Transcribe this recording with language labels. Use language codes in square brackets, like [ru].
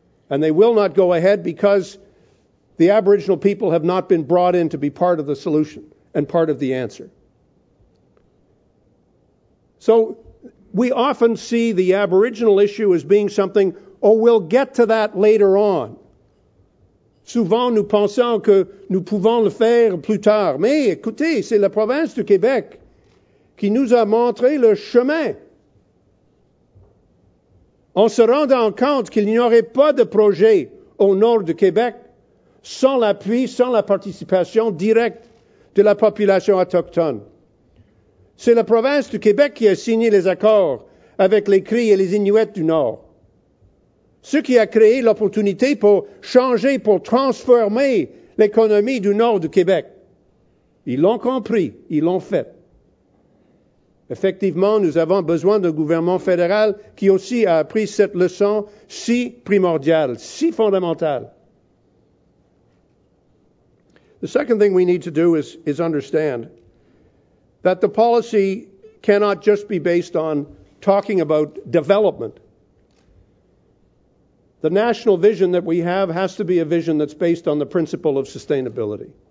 [en] And they will not go ahead because the Aboriginal people have not been brought in to be part of the solution and part of the answer. So we often see the Aboriginal issue as being something, oh, we'll get to that later on. [fr] Souvent, nous pensons que nous pouvons le faire plus tard. Mais écoutez, c'est la province du Québec qui nous a montré le chemin. En se rendant compte qu'il n'y aurait pas de projet au nord du Québec sans l'appui, sans la participation directe de la population autochtone. C'est la province du Québec qui a signé les accords avec les Cris et les Inuits du Nord. Ce qui a créé l'opportunité pour changer, pour transformer l'économie du Nord du Québec. Ils l'ont compris, ils l'ont fait. Effectivement, nous avons besoin d'un gouvernement fédéral qui aussi a appris cette leçon si primordiale, si fondamentale. [en] The second thing we need to do is understand that the policy cannot just be based on talking about development. The national vision that we have has to be a vision that's based on the principle of sustainability.